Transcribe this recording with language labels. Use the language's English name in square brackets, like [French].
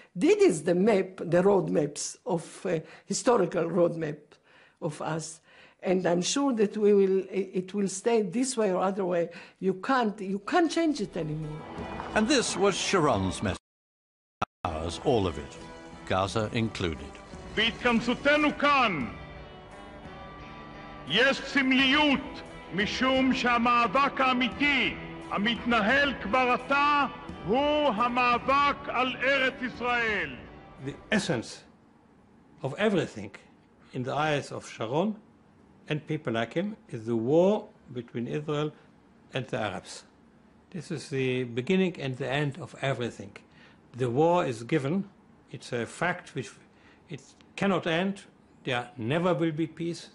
[English] This is the map, the road maps of historical road map of us. And I'm sure that it will stay this way or other way. You can't change it anymore. And this was Sharon's message. Ours, all of it, Gaza included. [Hebrew] בהתכנסותנו כאן יש סמליות משום שהמאבק האמיתי המתנהל כבר עתה הוא המאבק על ארץ ישראל. [English] The essence of everything in the eyes of Sharon and people like him is the war between Israel and the Arabs. This is the beginning and the end of everything. The war is given. It's a fact which it's cannot end. There never will be peace.